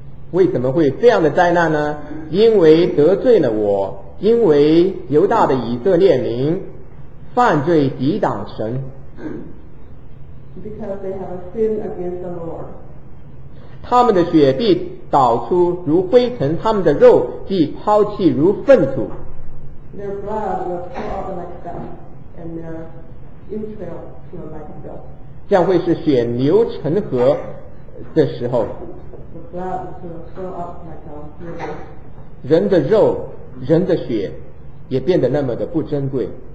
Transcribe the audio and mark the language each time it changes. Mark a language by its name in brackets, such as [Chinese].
[Chinese] 为什么会这样的灾难呢？因为得罪了我，因为犹大的以色列民犯罪抵挡神。 [English] Because they have sinned against the Lord. [Chinese] 他们的血必倒出如灰尘，他们的肉必抛弃如粪土。 [English] Their blood will pour out like dust, and their entrails will like dust. [Chinese] 将会是血流成河的时候。 [English] The blood will pour out like dust. [Chinese] 人的肉，人的血，也变得那么的不珍贵。